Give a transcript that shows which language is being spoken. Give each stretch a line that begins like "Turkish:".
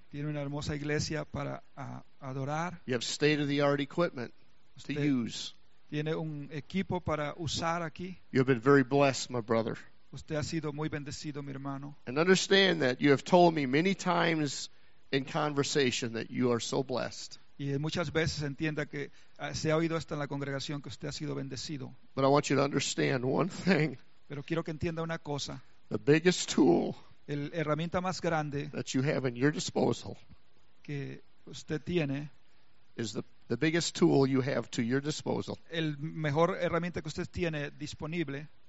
Spanish: Tiene una hermosa iglesia para adorar.
English: You have state-of-the-art equipment
Spanish: usted
English: to use.
Spanish: Tiene un equipo para usar aquí.
English: You have been very blessed, my brother.
Spanish: Usted ha sido muy bendecido, mi hermano.
English: And understand that you have told me many times in conversation that you are so blessed.
Spanish: Y muchas veces entienda que se ha oído esto en la congregación que usted ha sido bendecido.
English: But I want you to understand one thing.
Spanish: Pero quiero que entienda una cosa.
English: The biggest tool.
Spanish: El herramienta más grande.
English: That you have in your disposal.
Spanish: Que usted tiene.
English: Is the biggest tool you have to your disposal.
Spanish: El mejor herramienta que usted tiene disponible.